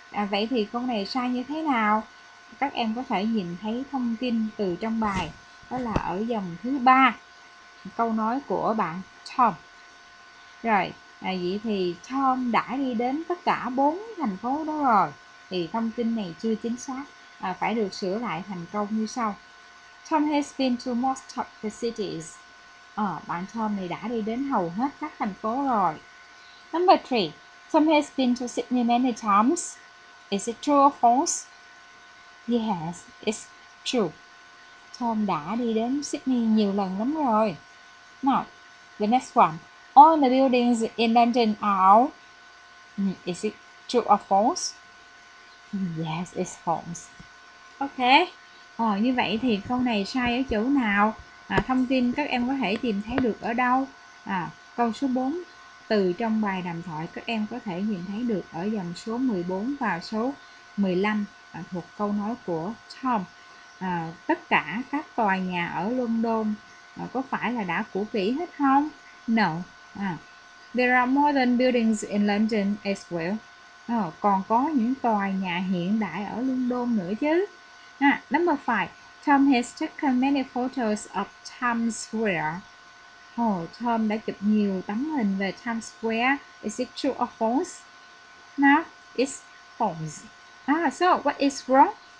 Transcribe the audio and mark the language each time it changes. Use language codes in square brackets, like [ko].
[vi] Vậy thì câu này sai như thế nào? Các em có thể nhìn thấy thông tin từ trong bài. Đó là ở dòng thứ 3. Câu nói của bạn Tom. Rồi, vậy thì Tom đã đi đến tất cả 4 thành phố đó rồi. Thì thông tin này chưa chính xác. Phải được sửa lại thành câu như sau. [en] Tom has been to most of the cities. [vi] Bạn Tom này đã đi đến hầu hết các thành phố rồi. [en] Number 3. Tom has been to Sydney many times. Is it true or false? Yes, it's true. [vi] Tom đã đi đến Sydney nhiều lần lắm rồi. [en] Now, the next one. All the buildings in London are old. Is it true or false? Yes, it's false. Ok, [vi] Ồ, như vậy thì câu này sai ở chỗ nào? Thông tin các em có thể tìm thấy được ở đâu? Câu số 4, từ trong bài đàm thoại các em có thể nhìn thấy được ở dòng số 14 và số 15, thuộc câu nói của Tom. Tất cả các tòa nhà ở London có phải là đã cũ kỹ hết không? [en] No. There are modern buildings in London as well. [vi] Còn có những tòa nhà hiện đại ở London nữa chứ. [en] Number 5. Tom has taken many photos of Times Square. [vi] Tom đã chụp nhiều tấm hình về Times Square. [en] Is it true or false? No, it's false. So what is wrong?